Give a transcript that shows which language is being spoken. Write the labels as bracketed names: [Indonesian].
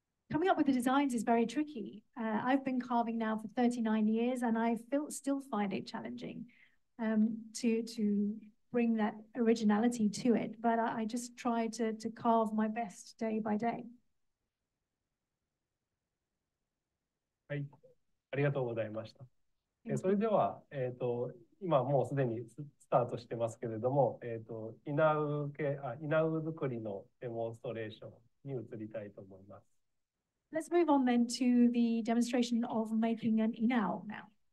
[English] Coming up with the designs is very tricky. I've been carving now for 39 years and I still find it challenging to bring that originality to it, but I just try to carve my best day by day. [Japanese] はい、ありがとうございました。え、それでは、えっと、今もうすでにスタートしてますけれども、えっと、inawke、あ、inaw作りのデモンストレーションに移りたいと思います。 [English] Let's move on then to the demonstration of making an inaw now.